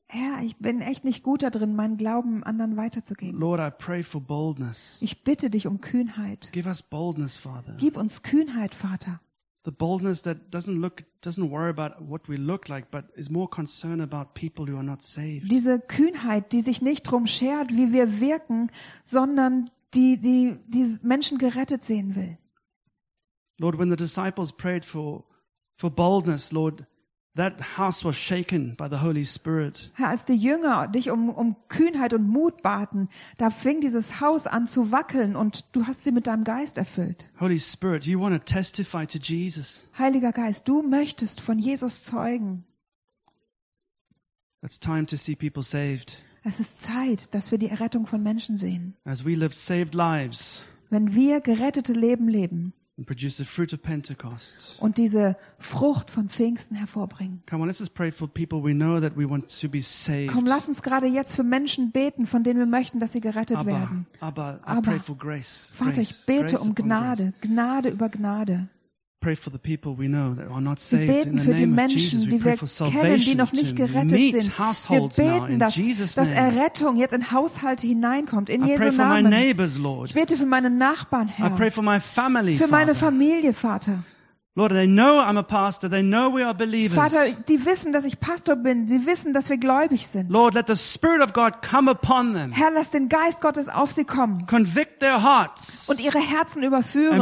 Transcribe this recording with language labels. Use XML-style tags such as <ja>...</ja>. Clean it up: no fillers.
<de>Herr, ich bin echt nicht gut darin, meinen Glauben anderen weiterzugeben.</de> <en>Lord, I pray for boldness.</en> <de>Ich bitte dich um Kühnheit.</de> <en>Give us boldness, Father.</en> <de>Gib uns Kühnheit, Vater.</de> <en>The boldness that doesn't worry about what we look like, but is more concerned about people who are not saved.</en> <de>Diese Kühnheit, die sich nicht drum schert, wie wir wirken, sondern die Menschen gerettet sehen will.</de> <en>Lord, when the disciples prayed for boldness, Lord, that house was shaken by the Holy Spirit.</en> <de>Herr, als die Jünger dich um Kühnheit und Mut baten, da fing dieses Haus an zu wackeln und du hast sie mit deinem Geist erfüllt.</de> <en>Holy Spirit, you want to testify to Jesus.</en> <de>Heiliger Geist, du möchtest von Jesus zeugen.</de> <en>It's time to see people saved.</en> <de>Es ist Zeit, dass wir die Errettung von Menschen sehen.</de> <en>As we live saved lives.</en> <de>Wenn wir gerettete Leben leben.</de> <en>And produce the fruit of Pentecost.</en> <de>Und diese Frucht von Pfingsten hervorbringen.</de> <en>Come on, let's just pray for people we know that we want to be saved.</en> <de>Komm, lass uns gerade jetzt für Menschen beten, von denen wir möchten, dass sie gerettet werden. Aber,</de> <en>I pray for grace.</en> <de>Vater, ich bete um Gnade, Gnade über Gnade.</de> <en>Pray for the people we know that are not saved.</en> <de>Wir beten für die Menschen, die wir kennen, die noch nicht gerettet sind. Wir beten, dass Errettung jetzt in Haushalte hineinkommt, in Jesu Namen. Ich bete für meine Nachbarn, Herr. Für meine Familie, Vater.</de> <en>Lord, they know I'm a pastor. They know we are believers.</en> <de>Vater, die wissen, dass ich Pastor bin. Sie wissen, dass wir gläubig sind.</de> <en>Lord, let the Spirit of God come upon them.</en> <de>Herr, lass den Geist Gottes auf sie kommen.</de> <en>Convict their hearts.</en> <de>Und ihre Herzen überführen.</de>